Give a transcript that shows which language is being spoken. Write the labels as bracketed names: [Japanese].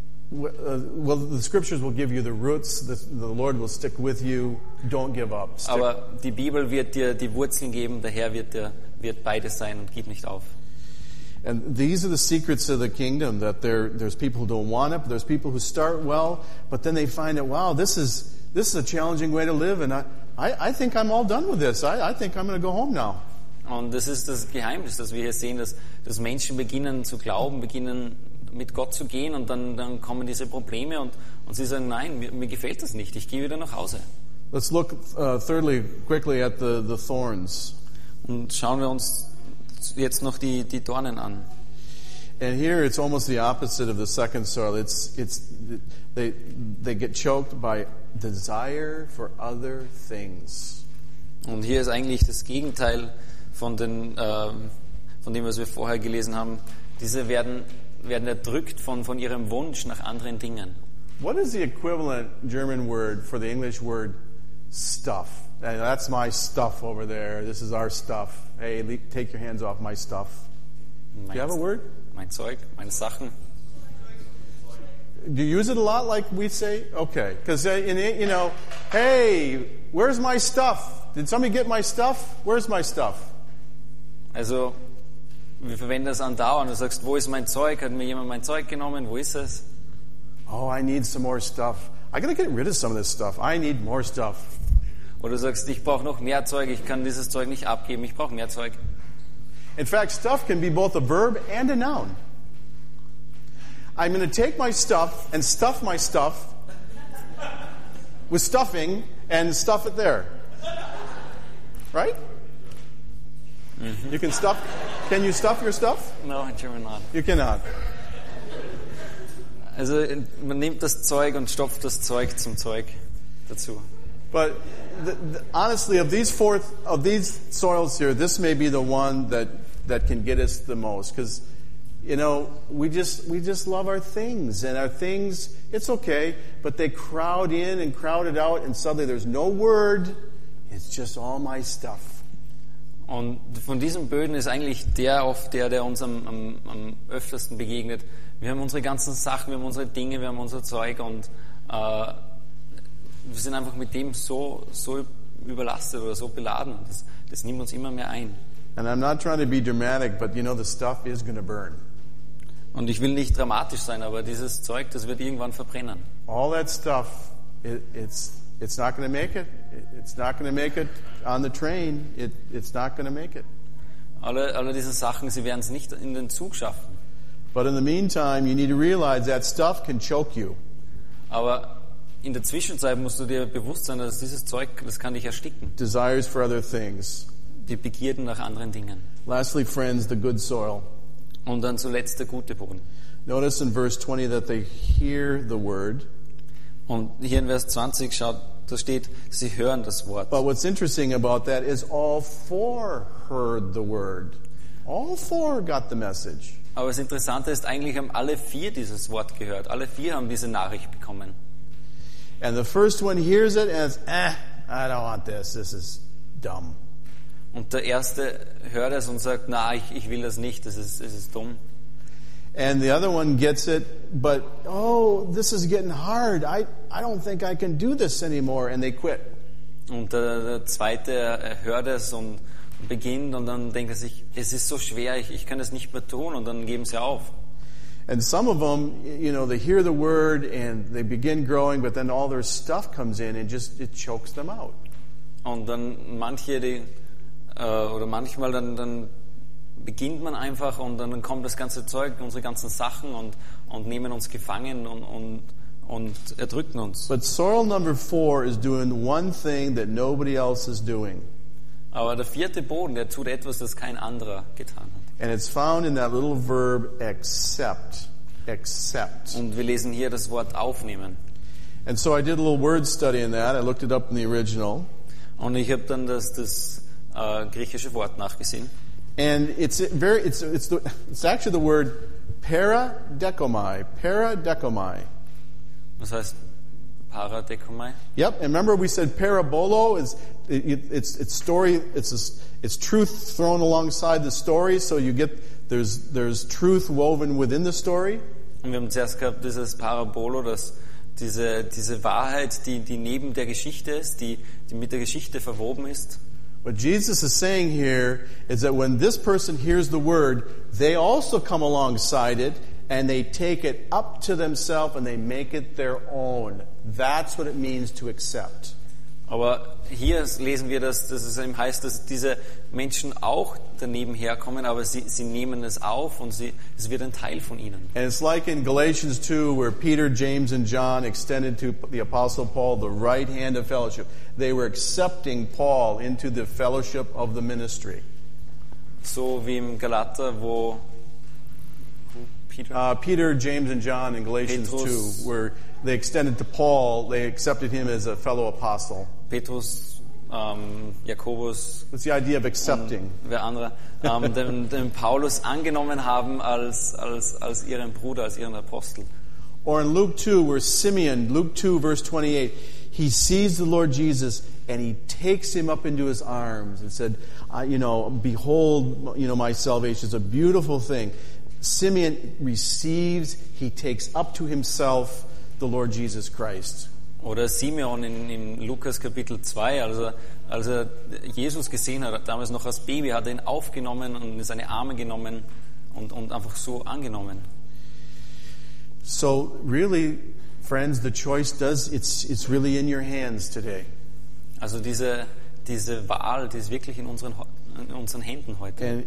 [English] Well, the scriptures will give you the roots. The Lord will stick with you. Don't give up. Stick. [German] Aber die Bibel wird dir die Wurzeln geben. Der Herr wird beides sein, und gib nicht auf. [English] And these are the secrets of the kingdom, that there's people who don't want it, but there's people who start well, but then they find that, wow, this is a challenging way to live, and I think I'm all done with this. I think I'm going to go home now. [German] Und das ist das Geheimnis, dass wir hier sehen, dass Menschen beginnen zu glauben, beginnen mit Gott zu gehen, und dann kommen diese Probleme, und sie sagen, nein, mir gefällt das nicht, ich gehe wieder nach Hause. [English] Let's look thirdly, quickly at the thorns. [German] Und schauen wir uns jetzt noch die Dornen an. [English] And here it's almost the opposite of the second soil. They get choked by desire for other things. [German] Und hier ist eigentlich das Gegenteil von dem, was wir vorher gelesen haben. Diese werden erdrückt von ihrem Wunsch nach anderen Dingen. [English] What is the equivalent German word for the English word stuff? And that's my stuff over there. This is our stuff. Hey, take your hands off my stuff. Do you have a word? [German] Mein Zeug, meine Sachen. [English] Do you use it a lot, like we say? Okay. Because, you know, hey, where's my stuff? Did somebody get my stuff? Where's my stuff? [German] Also, wir verwenden das andauernd. Du sagst, wo ist mein Zeug? Hat mir jemand mein Zeug genommen? Wo ist es? [English] Oh, I need some more stuff. I gotta get rid of some of this stuff. I need more stuff. [German] Oder du sagst, ich brauche noch mehr Zeug, ich kann dieses Zeug nicht abgeben, ich brauche mehr Zeug. [English] In fact, stuff can be both a verb and a noun. I'm going to take my stuff and stuff my stuff with stuffing and stuff it there. Right? Mm-hmm. You can stuff. Can you stuff your stuff? No, in German not. You cannot. [German] Also, man nimmt das Zeug und stopft das Zeug zum Zeug dazu. [English] But honestly, of these soils here, this may be the one that can get us the most, because you know we just love our things, and our things, it's okay, but they crowd in and crowd it out, and suddenly there's no word. It's just all my stuff. [German] Und von diesem Böden ist eigentlich der uns am öftersten begegnet. Wir haben unsere ganzen Sachen, wir haben unsere Dinge, wir haben unser Zeug und wir sind einfach mit dem so überlastet oder so beladen. Das nimmt uns immer mehr ein. [English] And I'm not trying to be dramatic, but you know, the stuff is going to burn. [German] Und ich will nicht dramatisch sein, aber dieses Zeug, das wird irgendwann verbrennen. [English] All that stuff, it's not going to make it. It's not going to make it on the train. It's not going to make it. [German] Alle diese Sachen, sie werden es nicht in den Zug schaffen. [English] But in the meantime, you need to realize that stuff can choke you. [German] Aber in der Zwischenzeit musst du dir bewusst sein, dass dieses Zeug, das kann dich ersticken. [English] Desires for other things. [German] Die Begierden nach anderen Dingen. [English] Lastly, friends, the good soil. [German] Und dann zuletzt der gute Boden. [English] Notice in verse 20 that they hear the word. [German] Und hier in Vers 20 schaut, da steht, sie hören das Wort. [English] But what's interesting about that is all four heard the word. All four got the message. [German] Aber das Interessante ist, eigentlich haben alle vier dieses Wort gehört. Alle vier haben diese Nachricht bekommen. [English] And the first one hears it and says, I don't want this. This is dumb. [German] Und der erste hört es und sagt, na, ich will das nicht. Das ist dumm. [English] And the other one gets it, but oh, this is getting hard. I don't think I can do this anymore. And they quit. [German] Und der zweite hört es und beginnt und dann denkt er sich, es ist so schwer, ich kann es nicht mehr tun, und dann geben sie auf. [English] And some of them, you know, they hear the word and they begin growing, but then all their stuff comes in and just it chokes them out. [German] Und dann manche, die oder manchmal dann beginnt man einfach und dann kommt das ganze Zeug, unsere ganzen Sachen und nehmen uns gefangen und erdrücken uns. [English] But soil number four is doing one thing that nobody else is doing. [German] Aber der vierte Boden, der tut etwas, das kein anderer getan hat. [English] And it's found in that little verb accept. [German] Und wir lesen hier das Wort aufnehmen. [English] And so I did a little word study in that. I looked it up in the original. [German] Und ich habe dann das griechische Wort nachgesehen. [English] And it's actually the word paradekomai. Paradekomai. [German] Was heißt paradekomai? [English] Yep. And remember, we said parabolo is it's story. It's truth thrown alongside the story. So you get there's truth woven within the story. [German] Und wir haben zuerst gehabt dieses parabolo, dass diese Wahrheit, die neben der Geschichte ist, die mit der Geschichte verwoben ist. [English] What Jesus is saying here is that when this person hears the word, they also come alongside it and they take it up to themselves and they make it their own. That's what it means to accept. [German] Aber hier lesen wir, dass es eben heißt, dass diese Menschen auch daneben herkommen, aber sie nehmen es auf und es wird ein Teil von ihnen. [English] And it's like in Galatians 2, where Peter, James and John extended to the Apostle Paul the right hand of fellowship. They were accepting Paul into the fellowship of the ministry. [German] So wie im Galater, wo [English] Peter, James and John in Galatians [German] Petrus [English] 2 were they extended to Paul, they accepted him as a fellow apostle. [German] Petrus, Jakobus. [English] It's the idea of accepting. [German] Wer andere, den Paulus angenommen haben als ihren Bruder, als ihren Apostel. [English] Or in Luke 2, where Simeon, Luke 2, verse 28, he sees the Lord Jesus and he takes him up into his arms and said, behold, my salvation is a beautiful thing. Simeon receives, he takes up to himself the Lord Jesus Christ. [German] Oder Simeon in Lukas Kapitel 2, als er Jesus gesehen hat, damals noch als Baby, hat er ihn aufgenommen und in seine Arme genommen und einfach so angenommen. [English] So really, friends, the choice does, it's really in your hands today. [German] Also diese Wahl, die ist wirklich in unseren Händen heute.